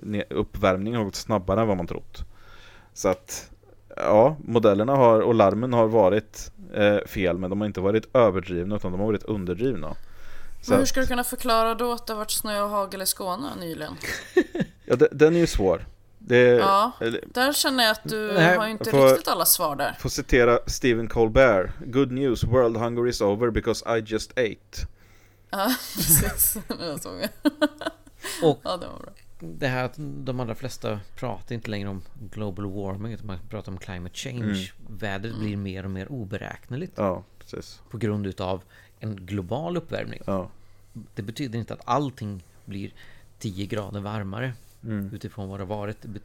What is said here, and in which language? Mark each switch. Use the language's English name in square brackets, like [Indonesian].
[Swedish] Uppvärmningen har gått snabbare än vad man trott. Så att ja, modellerna har och larmen har varit fel, men de har inte varit överdrivna utan de har varit underdrivna. Så men hur ska du kunna förklara då att det har varit snö och hagel i Skåne nyligen? Ja, den är ju svår. Där känner jag att du har ju inte riktigt alla svar där. Får citera Stephen Colbert. [English] Good news, world hunger is over because I just ate. [Swedish] Ja, precis. Och ja, det var bra. Det här att de allra flesta pratar inte längre om global warming, utan man pratar om climate change. Vädret blir mer och mer oberäkneligt. Ja, precis. På grund av en global uppvärmning. Ja. Det betyder inte att allting blir 10 grader varmare utifrån vad det har varit.